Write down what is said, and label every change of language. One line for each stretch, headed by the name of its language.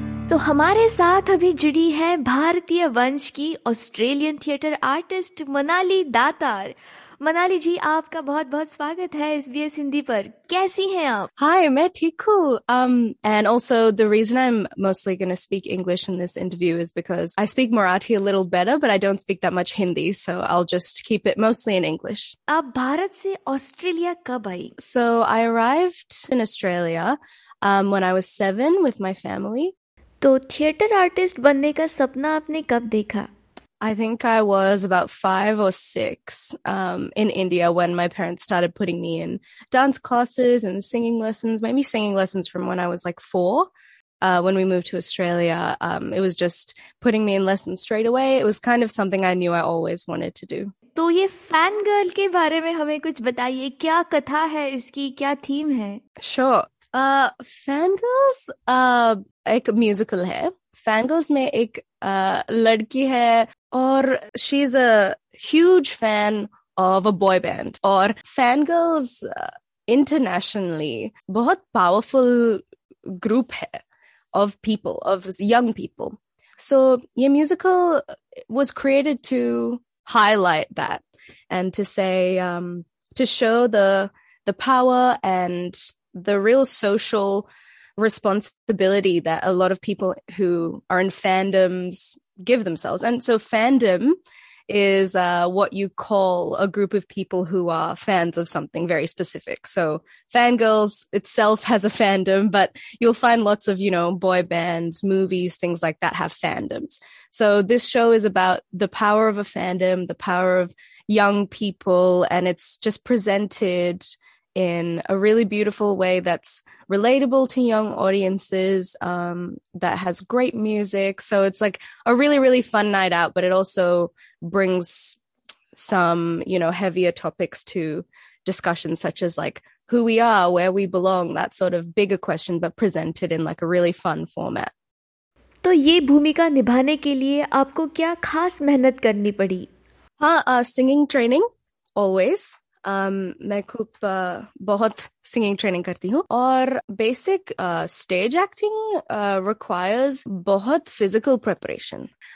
Hindi: तो हमारे साथ अभी जुड़ी है भारतीय वंश की ऑस्ट्रेलियन थिएटर आर्टिस्ट मनाली दातार। मनाली जी, आपका बहुत बहुत स्वागत है SBS हिंदी पर। कैसी हैं आप? Hi, मैं ठीक हूँ.
English: And also, the reason I'm mostly going to speak English in this interview is because I speak Marathi a little better, but I don't speak that much Hindi, so I'll just keep it mostly in English.
Hindi: आप भारत से Australia कब आई?
English: So I arrived in Australia when I was 7 with my family. तो theatre artist बनने का सपना आपने कब देखा? I think I was about 5 or 6 in India when my parents started putting me in dance classes and singing lessons, maybe singing lessons from when I was like 4 when we moved to Australia. It was just putting me in lessons straight away. It was kind of something I knew I always wanted to do.
Hindi: तो ये fan girl के बारे में हमें कुछ बताइए, क्या कथा है इसकी, क्या थीम है?
English: Sure.
Hindi: Fangirls, एक म्यूजिकल है.
English: Fangirls
Hindi: में एक लड़की है और
English: She is a huge fan of a boy band.
Hindi: और Fangirls इंटरनेशनली बहुत पावरफुल ग्रुप है
English: Of people, of young people. So ये musical was created to highlight that and to say to show the power and the real social responsibility that a lot of people who are in fandoms give themselves. And so fandom is what you call a group of people who are fans of something very specific. So Fangirls itself has a fandom, but you'll find lots of, you know, boy bands, movies, things like that have fandoms. So this show is about the power of a fandom, the power of young people, and it's just presented in a really beautiful way that's relatable to young audiences, that has great music. So it's like a really, really fun night out, but it also brings some, you know, heavier topics to discussions such as like who we are, where we belong, that sort of bigger question, but presented in like a really fun format.
Hindi: तो ये भूमिका निभाने के लिए आपको क्या खास मेहनत करनी पड़ी?
English: हाँ, singing training, always.
Hindi: मैं खूब बहुत सिंगिंग ट्रेनिंग करती हूँ और
English: basic stage acting requires
Hindi: बहुत फिजिकल प्रेपरेशन.